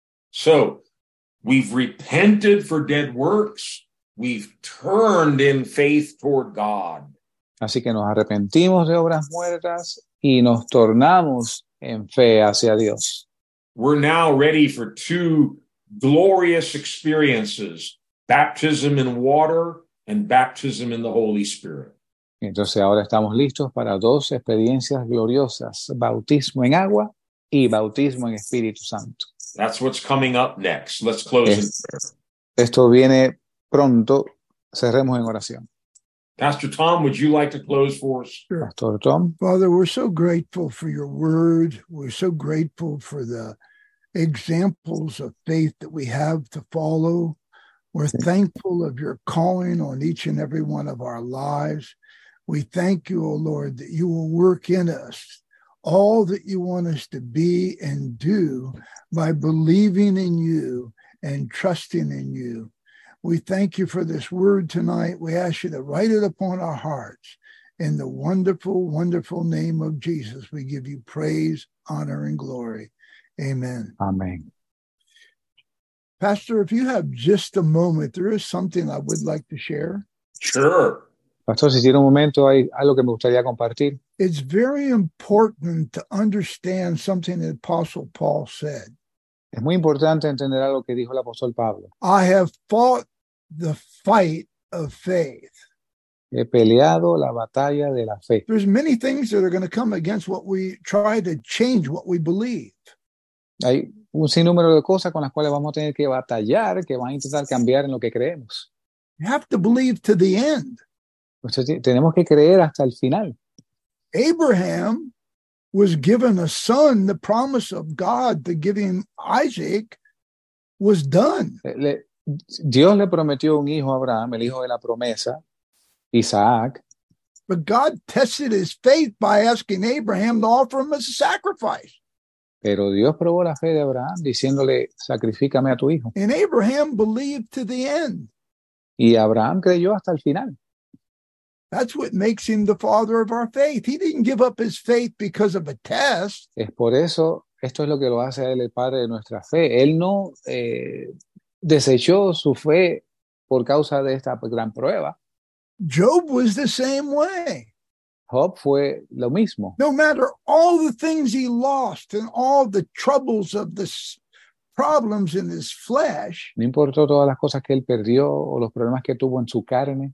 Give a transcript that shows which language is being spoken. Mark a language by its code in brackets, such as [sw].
[en] So, we've repented for dead works, we've turned in faith toward God. [es] Así que nos arrepentimos de obras muertas y nos tornamos en fe hacia Dios. [en] We're now ready for two glorious experiences, baptism in water and baptism in the Holy Spirit. [es] Entonces ahora estamos listos para dos experiencias gloriosas, bautismo en agua y bautismo en Espíritu Santo. [en] That's what's coming up next. Let's close in prayer. [es] Esto viene pronto. Cerremos en oración. [en] Pastor Tom, would you like to close for us? Sure. Pastor Tom. Father, we're so grateful for your word. We're so grateful for the examples of faith that we have to follow. We're thankful of your calling on each and every one of our lives. We thank you, O Lord, that you will work in us all that you want us to be and do by believing in you and trusting in you. We thank you for this word tonight. We ask you to write it upon our hearts. In the wonderful, wonderful name of Jesus, we give you praise, honor, and glory. Amen. Amen. Pastor, if you have just a moment, there is something I would like to share. Sure. [es] Pastor, si tiene un momento, hay algo que me gustaría compartir. [en] It's very important to understand something that Apostle Paul said. [es] Es muy importante entender algo que dijo el apóstol Pablo. [en] I have fought the fight of faith. [es] He peleado la batalla de la fe. [en] There's many things that are going to come against what we try to change, what we believe. [es] Hay un sinnúmero de cosas con las cuales vamos a tener que batallar, que van a intentar cambiar en lo que creemos. [en] You have to believe to the end. [es] Tenemos que creer hasta el final. [en] Abraham was given a son. The promise of God to give him Isaac was done. [es] Dios le prometió un hijo a Abraham, el hijo de la promesa, Isaac. [en] But God tested his faith by asking Abraham to offer him as a sacrifice. [es] Pero Dios probó la fe de Abraham diciéndole, sacrifícame a tu hijo. [en] And Abraham believed to the end. [es] Y Abraham creyó hasta el final. [en] That's what makes him the father of our faith. He didn't give up his faith because of a test. [es] Es por eso, esto es lo que lo hace a él el padre de nuestra fe. Él no desechó su fe por causa de esta gran prueba. [en] Job was the same way. [es] Job fue lo mismo. [en] No matter all the things he lost and all the troubles of the problems in his flesh. [es] No importó todas las cosas que él perdió o los problemas que tuvo en su carne.